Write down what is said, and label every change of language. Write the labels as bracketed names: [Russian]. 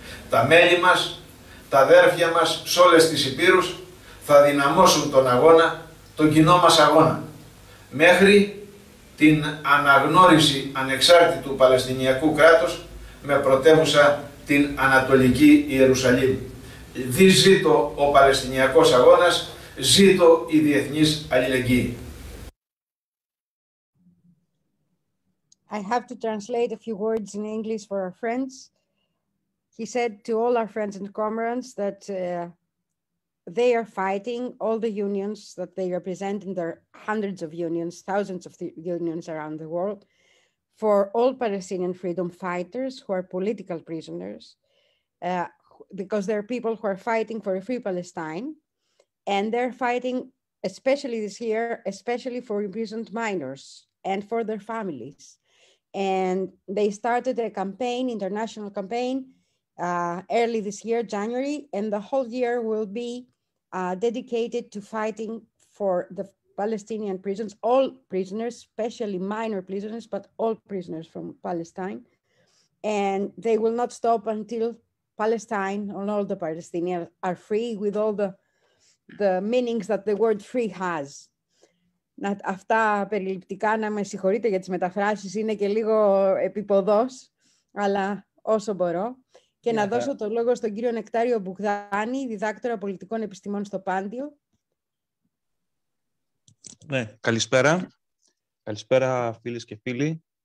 [Greek] Τα μέλη μας, τα αδέρφια μας σε όλες τις Ηπείρους θα δυναμώσουν τον αγώνα, τον κοινό μας αγώνα, μέχρι την αναγνώριση ανεξάρτητου Παλαιστινιακού κράτους με πρωτεύουσα την Ανατολική Ιερουσαλήμ. Ζήτω ο Παλαιστινιακός αγώνας, ζήτω η διεθνής αλληλεγγύη. [English] I have to translate a few words in English for our friends. He said to all our friends and comrades that they are fighting, all the unions that they represent in their hundreds of unions, thousands of unions around the world, for all Palestinian freedom fighters who are political prisoners, because there are people who are fighting for a free Palestine, and they're fighting, especially this year, especially for imprisoned minors and for their families. And they started a campaign, international campaign, early this year, January, and the whole year will be dedicated to fighting for the Palestinian prisons, all prisoners, especially minor prisoners, but all prisoners from Palestine. And they will not stop until Palestine and all the Palestinians are free, with all the meanings that the word free has. [Greek] Αυτά περιληπτικά, να με συγχωρείτε για τις μεταφράσεις, είναι και λίγο επιποδός, αλλά όσο μπορώ. Και να δώσω το λόγο στον κύριο Νεκτάριο Μπουγδάνη, διδάκτορα πολιτικών επιστημών στο Πάντιο. Ναι, καλησπέρα. Καλησπέρα φίλες και φίλοι.